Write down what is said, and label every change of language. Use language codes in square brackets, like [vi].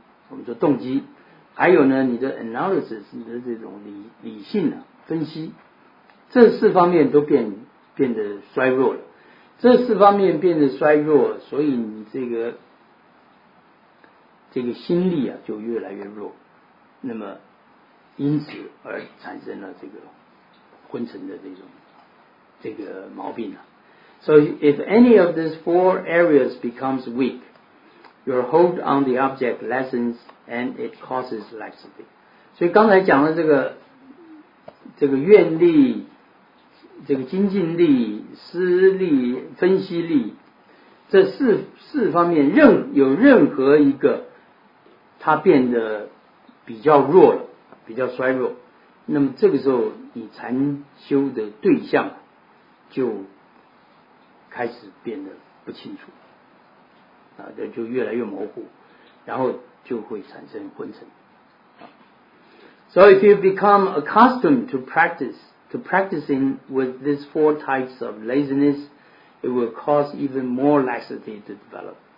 [zh] 我们说动机；还有呢，你的 analysis， 你的这种理性呢、分析，这四方面都变得衰弱了。这四方面变得衰弱，所以你这个心力啊就越来越弱，那么因此而产生了这个昏沉的这个毛病啊。 [en] So if any of these four areas becomes weak, your hold on the object lessens and it causes laxity. [zh] 所以刚才讲的这个愿力、这个精进力、思力、分析力，这四方面任何一个它变得比较弱了，比较衰弱，那么这个时候你禅修的对象就开始变得不清楚啊，就越来越模糊，然后就会产生昏沉。 [en] So if you become accustomed to practicing with these four types of laziness, it will cause even more laxity to develop.